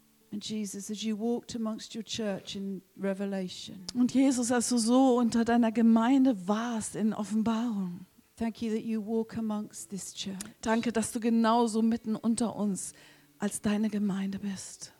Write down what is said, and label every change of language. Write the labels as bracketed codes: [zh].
[en] And Jesus, as you walked amongst your church in Revelation. [de] Und Jesus, als du so unter deiner Gemeinde warst in Offenbarung. [en] Thank you that you walk amongst this church. [de] Danke, dass du genauso mitten unter uns als deine Gemeinde bist.